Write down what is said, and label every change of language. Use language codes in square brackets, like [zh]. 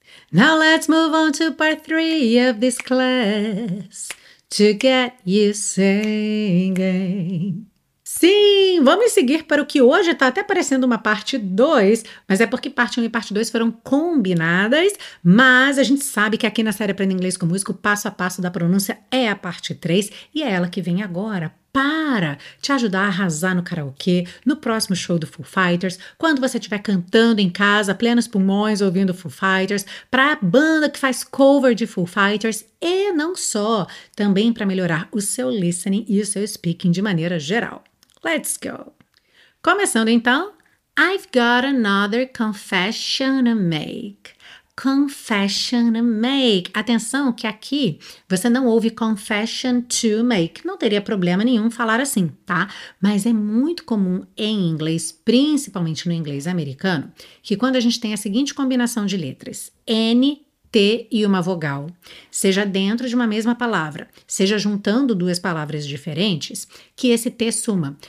[en] Now let's move on to part 3 of this class. To get you singing. [pt] Sim, vamos seguir para o que hoje está até parecendo uma parte 2, mas é porque parte 1 e parte 2 foram combinadas, mas a gente sabe que aqui na série Aprenda Inglês com Música, o passo a passo da pronúncia é a parte 3, e é ela que vem agora, para te ajudar a arrasar no karaokê, no próximo show do Foo Fighters, quando você estiver cantando em casa, plenos pulmões ouvindo Foo Fighters, para a banda que faz cover de Foo Fighters e não só, também para melhorar o seu listening e o seu speaking de maneira geral. [en] Let's go! [pt] Começando então, [en] I've got another confession to make. Confession to make. [pt] Atenção que aqui você não ouve [en] confession to make. [pt] Não teria problema nenhum falar assim, tá? Mas é muito comum em inglês, principalmente no inglês americano, que quando a gente tem a seguinte combinação de letras, N, T e uma vogal, seja dentro de uma mesma palavra, seja juntando duas palavras diferentes, que esse T suma.